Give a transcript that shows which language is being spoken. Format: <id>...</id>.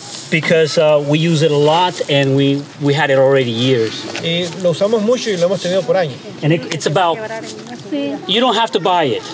<en>Because we use it a lot and we had it already years.</en> <es>Y lo usamos mucho y lo hemos tenido por años.</es> <en>And it's about, you don't have to buy it.</en>